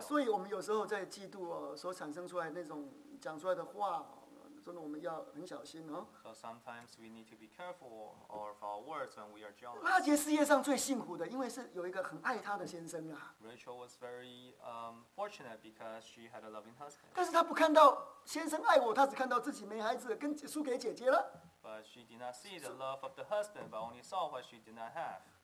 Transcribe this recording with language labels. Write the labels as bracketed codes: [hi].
[zh] 所以我们有时候在嫉妒所产生出来那种讲出来的话。真的，我们要很小心哦。 [en] So sometimes we need to be careful of our words when we are jealous. [zh] 拉杰事业上最幸福的，因为是有一个很爱她的先生啊。Rachel [en] was very fortunate because she had a loving husband. [zh] 但是她不看到先生爱我，她只看到自己没孩子，跟输给姐姐了。 [en] But she did not see the love of the husband, but only saw what she did not have.